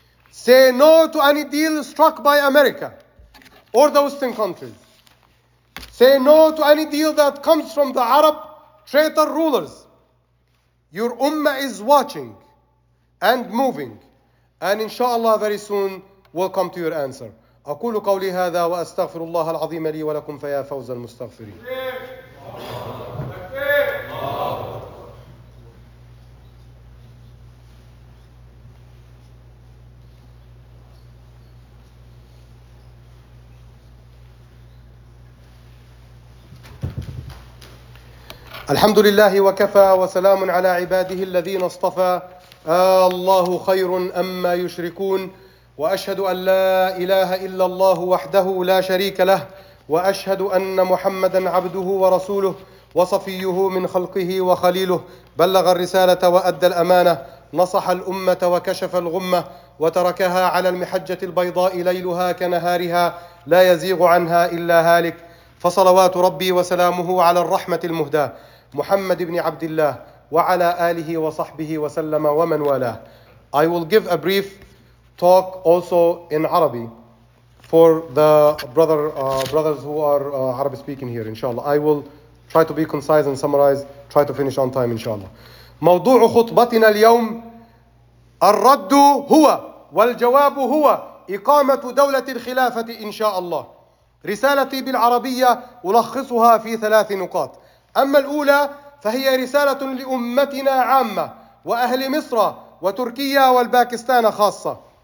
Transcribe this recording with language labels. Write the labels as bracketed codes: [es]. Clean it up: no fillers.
[en] Say no to any deal struck by America or the Western countries. Say no to any deal that comes from the Arab traitor rulers. Your ummah is watching and moving. And inshallah, very soon, we'll come to your answer. [ar] أقول قولي هذا وأستغفر الله العظيم لي ولكم فيا فوز المستغفرين. الحمد لله وكفى وسلام على عباده الذين اصطفى الله خير أما يشركون وأشهد أن لا إله إلا الله وحده لا شريك له وأشهد أن محمدًا عبده ورسوله وصفيه من خلقه وخليله بلغ الرسالة وأدى الأمانة نصح الأمة وكشف الغمة وتركها على المحجة البيضاء ليلها كنهارها لا يزيغ عنها إلا هالك فصلوات ربي وسلامه على الرحمة المهداة محمد بن عبد الله وعلى آله وصحبه وسلم ومن والاه. [en] I will give a brief talk also in Arabic for the brothers who are Arabic speaking here, inshallah. I will try to be concise and summarize, try to finish on time, inshallah. [ar] موضوع خطبتنا اليوم الرد هو والجواب هو إقامة دولة الخلافة إن شاء الله. رسالتي بالعربية ألخصها في ثلاث نقاط. أما الأولى فهي رسالة لأمتنا عامة وأهل مصر وتركيا والباكستان خاصة.